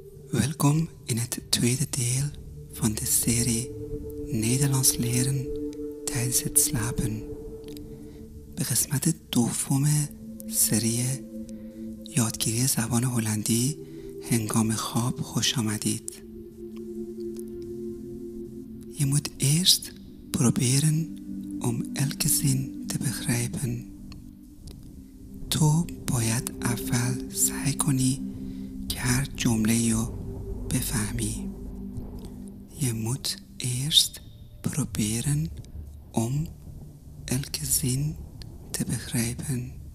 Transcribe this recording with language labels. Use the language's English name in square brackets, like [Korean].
[Dutch] Welkom in het tweede deel van de serie Nederlands leren tijdens het slapen. [Persian] بقسم دوم سری یادگیری زبان هلندی هنگام خواب خوش آمدید. [Dutch] Je moet eerst proberen om elke zin te begrijpen. [Persian] تو باید اول سعی کنی که هر جمله رو بفهمی. [Dutch] Je moet eerst proberen om elke zin te begrijpen.